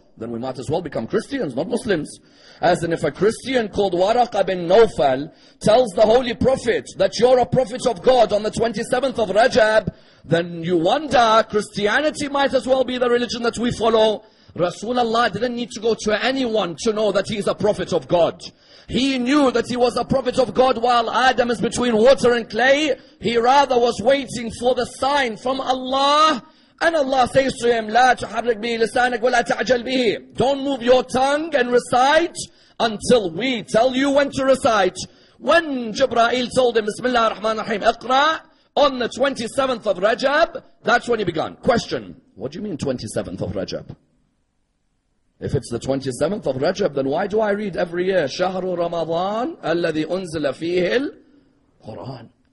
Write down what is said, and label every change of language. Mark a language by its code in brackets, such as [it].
[en] Then we might as well become Christians, not Muslims. As in, if a Christian called Waraqa bin Nawfal tells the Holy Prophet that you're a prophet of God on the 27th of Rajab, then you wonder, Christianity might as well be the religion that we follow. Rasulullah didn't need to go to anyone to know that he is a prophet of God. He knew that he was a prophet of God while Adam is between water and clay. He rather was waiting for the sign from Allah. And Allah says to him, [ar] لا تحرك به لسانك ولا تعجل به. [en] Don't move your tongue and recite until we tell you when to recite. When Jibreel told him, Bismillah ar-Rahman ar-Rahim, اقرأ, on the 27th of Rajab, that's when he began. Question, what do you mean 27th of Rajab? If it's the 27th of Rajab, then why do I read every year, [ar] شهر رمضان الذي أنزل فيه القرآن?